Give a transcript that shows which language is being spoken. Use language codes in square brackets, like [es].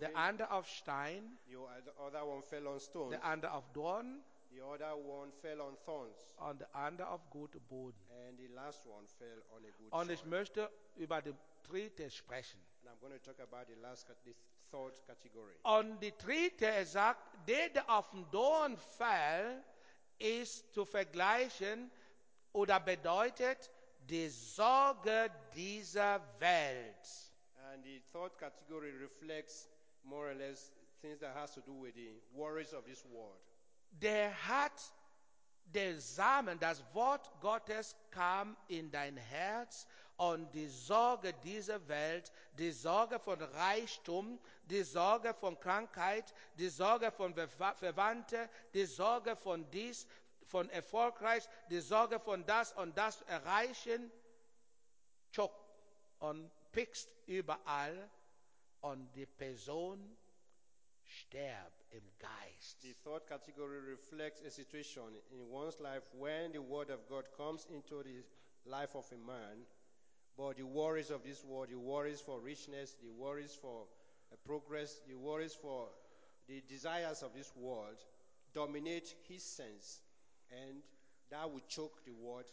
[de] Der andere auf Stein. [en] The other one fell on stone. [de] Der andere auf Dorn. [en] The other one fell on thorns. [de] Und der andere auf gute Boden. [en] And the last one fell on a good soil. [de] Und ich möchte über die dritte sprechen. [en] And I'm going to talk about the last category. Category. [de] Und die dritte, er sagt, der auf den Dorn fällt, ist zu vergleichen oder bedeutet die Sorge dieser Welt. [en] And the third category reflects more or less things that has to do with the worries of this world. [de] Der hat den Samen, das Wort Gottes kam in dein Herz. Und die Sorge dieser Welt, die Sorge von Reichtum, die Sorge von Krankheit, die Sorge von Verwandten, die Sorge von dies, von erfolgreich, die Sorge von das und das erreichen, chock und pickst überall und die Person stirbt im Geist. [en] The third category reflects a situation in one's life when the word of God comes into the life of a man. But the worries of this world, the worries for richness, the worries for progress, the worries for the desires of this world dominate his sense, and that would choke the world.